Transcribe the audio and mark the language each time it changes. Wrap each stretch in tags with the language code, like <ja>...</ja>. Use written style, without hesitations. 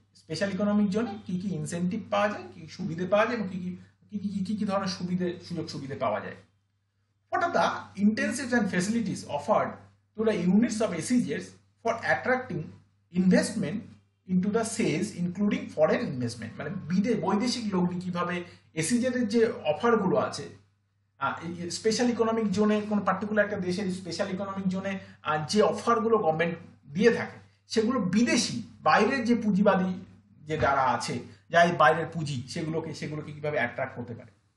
<bn>Special economic zone, কি কি incentive পাওয়া যায়, কি সুবিধা পাওয়া যায়, কি কি কি কি কি ধরনের সুযোগ সুবিধা পাওয়া যায়।</bn> <en>What are the incentives and facilities offered to the units of SEZs for attracting investment into the SEZ, including foreign investment?</en> <bn>মানে বৈদেশিক লোকগুলো কিভাবে SEZ-এর যে অফারগুলো আছে, স্পেশাল ইকোনমিক জোনে, কোন পার্টিকুলার একটা দেশের স্পেশাল ইকোনমিক জোনে যে অফারগুলো গভর্নমেন্ট দিয়ে থাকে, সেগুলো বিদেশি বাইরের যে পুঁজিবাদী যে যারা আছে, যাই বাইরের পুঁজি, সেগুলোকে কিভাবে অ্যাট্রাক্ট করতে পারে।</bn>